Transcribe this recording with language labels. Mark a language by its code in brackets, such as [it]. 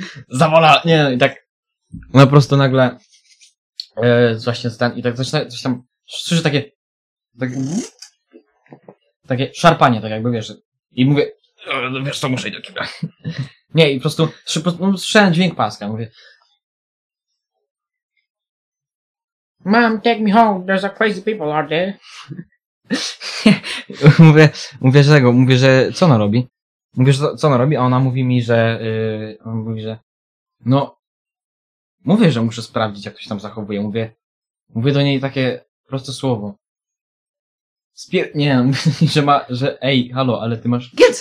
[pl] Zawola, nie, no, i tak. No, po prostu nagle. Właśnie stan, i tak zaczyna, coś tam. Słyszę takie. Takie szarpanie, tak jakby wiesz. I mówię, wiesz co, muszę iść do kibla. Nie, i po prostu słyszałem dźwięk paska, mówię. [en] Mom, take me home, there's a crazy people out there. [pl] mówię, że co ona robi? Mówię, że co ona robi, a ona mówi mi, że, mówi, że, no, mówię, że muszę sprawdzić, jak to się tam zachowuje, mówię do niej takie proste słowo. Nie, że ma, że ej, halo, ale ty masz...